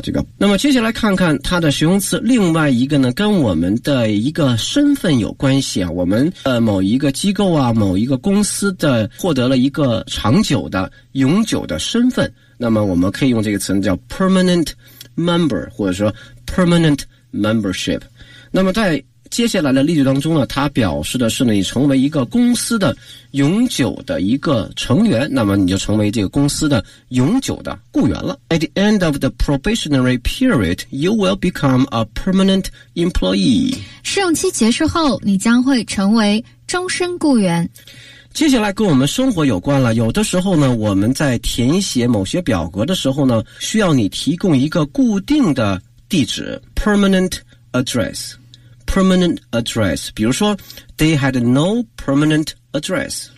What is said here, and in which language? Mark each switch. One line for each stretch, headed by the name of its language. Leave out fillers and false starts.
Chinese: 这个，那么接下来看看它的形容词，另外一个呢，跟我们的一个身份有关系啊，我们某一个机构啊，某一个公司的获得了一个长久的、永久的身份，那么我们可以用这个词呢，叫
English: permanent member，
Chinese: 或者说。
English: Permanent membership。
Chinese: 那么在接下来的例句当中呢，它表示的是呢，你成为一个公司的永久的一个成员，那么你就成为这个公司的永久的雇员了。
English: At the end of the probationary period, you will become a permanent employee.
Chinese: 试用期结束后，你将会成为终身雇员。接下来跟我们生活有关了，有的时候呢，我们在填写某些表格的时候呢，需要你提供一个固定的地址
English: permanent address， permanent address，
Chinese: 比如说
English: they had no permanent address，